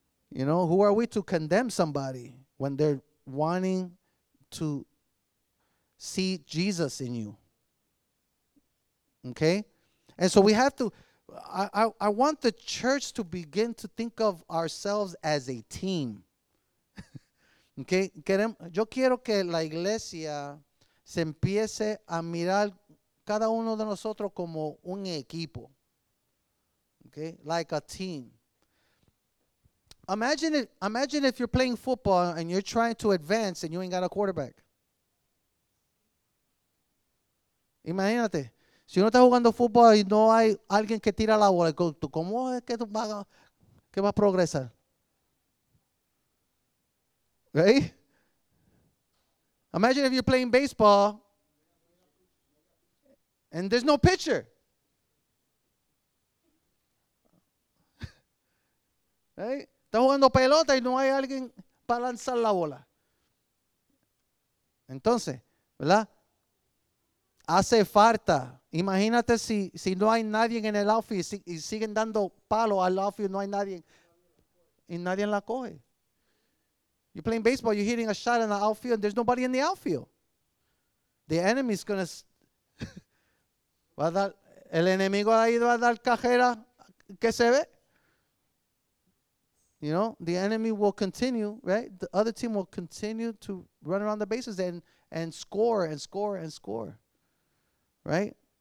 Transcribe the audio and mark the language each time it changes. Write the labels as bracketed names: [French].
[English] You know, who are we to condemn somebody when they're wanting to see Jesus in you? Okay? And so we have to, I want the church to begin to think of ourselves as a team. Okay? [Spanish] Yo quiero que la iglesia se empiece a mirar cada uno de nosotros como un equipo. [English] Okay? Like a team. Imagine if you're playing football and you're trying to advance and you ain't got a quarterback. [Spanish] Imagínate. Si uno está jugando fútbol y no hay alguien que tira la bola, ¿cómo es que tú vas a progresar? [English] Right? Imagine if you're playing baseball and there's no pitcher. Right? [Spanish] Está jugando pelota y no hay alguien para lanzar la bola. Entonces, ¿verdad? Hace falta. Imagínate si no hay nadie en el outfield y siguen dando palo al outfield, no hay nadie. Y nadie la coge. [English] You're playing baseball, you're hitting a shot in the outfield, and there's nobody in the outfield. The enemy's going to... [Spanish] El enemigo ahí va a dar cajera que se ve. [English] You know, the enemy will continue, right? The other team will continue to run around the bases and score and score and score, right?